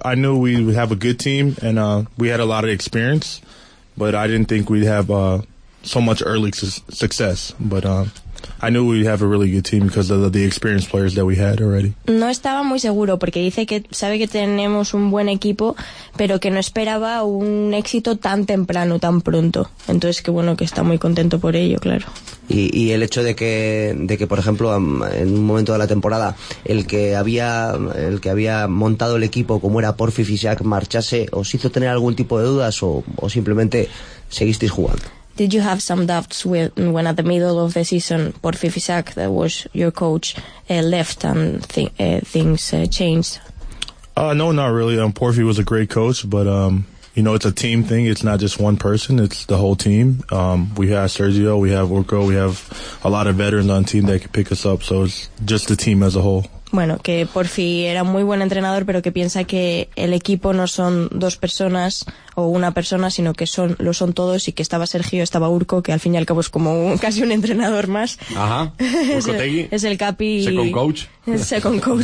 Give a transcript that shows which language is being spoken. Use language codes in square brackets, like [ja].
[en] I knew we would have a good team and we had a lot of experience, but I didn't think we'd have so much early success. But I knew we'd have a really good team because of the experienced players that we had already. [es] No estaba muy seguro porque dice que sabe que tenemos un buen equipo, pero que no esperaba un éxito tan temprano, tan pronto. Entonces que bueno, que está muy contento por ello, claro. Y el hecho de que por ejemplo en un momento de la temporada el que había montado el equipo como era Porfi Fisak marchase, ¿os hizo tener algún tipo de dudas o simplemente seguisteis jugando? [en] Did you have some doubts when at the middle of the season Porfi Fisak, that was your coach, left and things changed? No, not really. Porfi was a great coach, but you know, it's a team thing. It's not just one person. It's the whole team. We have Sergio, we have Urko, we have a lot of veterans on the team that can pick us up. So it's just the team as a whole. [es] Bueno, que Porfi era muy buen entrenador, pero que piensa que el equipo no son dos personas o una persona, sino que lo son todos, y que estaba Sergio, estaba Urko, que al fin y al cabo es como casi un entrenador más. Ajá. Urkotegi. Es el capi. [en] Second coach,